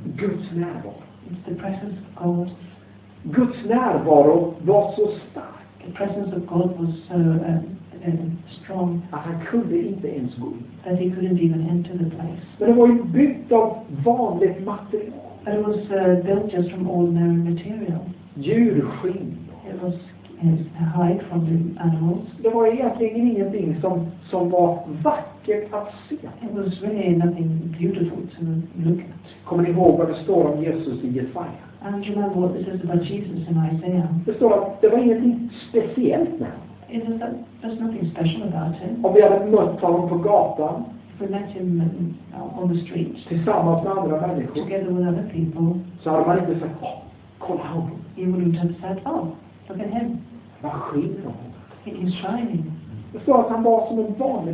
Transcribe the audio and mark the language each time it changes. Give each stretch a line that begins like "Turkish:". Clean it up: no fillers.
Swedish: Guds närvaro.
English: It's the presence of God.
Swedish: Guds närvaro var så stark.
English: The presence of God was so strong.
Swedish: Att han kunde inte ens gå in.
English: That he couldn't even enter the place.
Swedish: Men det var ju byggt av vanligt material.
English: But it was built just from ordinary material.
Swedish: Djurskinn.
English: It was hide from the animals.
Swedish: Det var egentligen ingenting som var vackert att se.
English: It was really nothing beautiful to look at.
Swedish: Kommer ni ihåg vad det står om Jesus i Jesaja?
English: And do you remember what this is about Jesus in Isaiah?
Swedish: Det står att det var ingenting speciellt med.
English: It is that there's nothing special about him.
Swedish: Om vi hade mött honom på gatan.
English: If we met him on the street.
Swedish: Tillsammans med andra människor.
English: Together with other people.
Swedish: Så hade man inte sagt, oh, kolla honom.
English: He wouldn't have said, oh, look at him.
Swedish: Vad skiner honom.
English: He is shining.
Swedish: Det står att han var som en vanlig